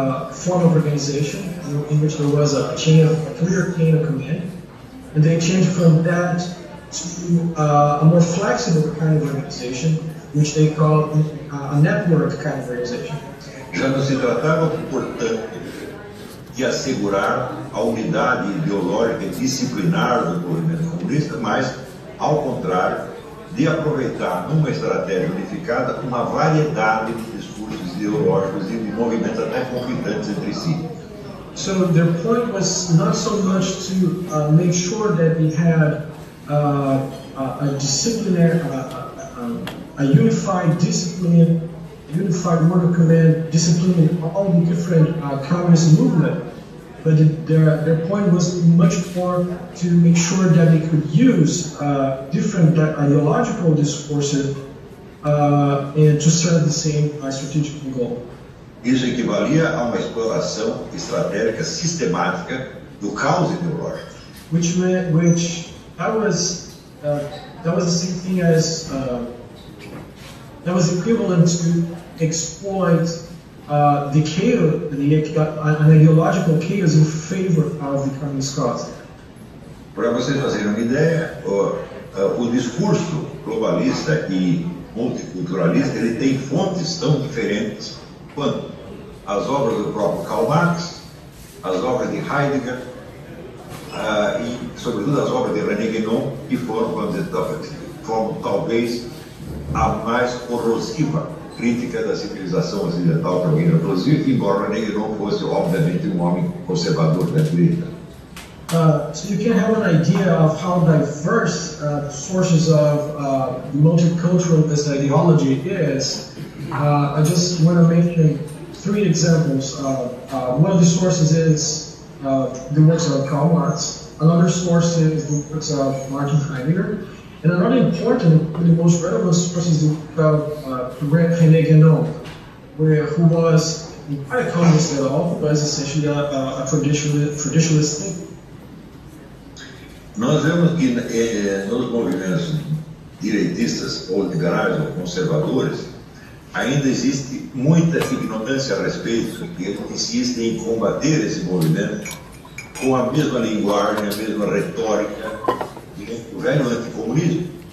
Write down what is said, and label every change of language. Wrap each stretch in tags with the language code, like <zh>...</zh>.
<en>form of organization, in which there was a chain of, a clear chain of command, and they changed from that to a more flexible kind of organization, which they call a network kind of organization.</en> <pt>Já não se tratava, portanto, de assegurar a unidade ideológica e disciplinar do movimento comunista, mas, ao contrário, de aproveitar numa estratégia unificada uma variedade de discursos ideológicos e de movimentos até conflitantes entre si.</pt> <en>So their point was not so much to make sure that we had a disciplinary, a unified discipline, unified worker command, discipline all the different communist movement, but their point was much more to make sure that they could use different ideological discourses and to serve the same strategic goal.</en> <pt>Isso equivalia a uma exploração estratégica sistemática do caos ideológico.</pt> <en>Which that was the same thing as that was equivalent to exploit the chaos, an ideological chaos in favor of the communist cause.</en> <pt>Para vocês fazerem uma ideia, o discurso globalista e multiculturalista, ele tem fontes tão diferentes quanto as obras do próprio Karl Marx, as obras de Heidegger, e sobretudo as obras de René Guénon, que foram, vamos dizer, talvez a mais corrosiva crítica da civilização ocidental para alguém, inclusive, embora René Guénon fosse, obviamente, um homem conservador da direita.</pt> <en>So you can have an idea of how diverse the sources of the multiculturalist ideology is. I just want to mention three examples. One of the sources is the works of Karl Marx. Another source is the works of Martin Heidegger. And another important, the most relevant source is the work of René Guénon, who was not a communist at all, but is essentially a traditionalist thing.</en> <pt>Nós vemos que nos movimentos direitistas ou liberais ou conservadores ainda existe muita ignorância a respeito, porque insistem em combater esse movimento com a mesma linguagem, a mesma retórica do velho anticomunismo.</pt>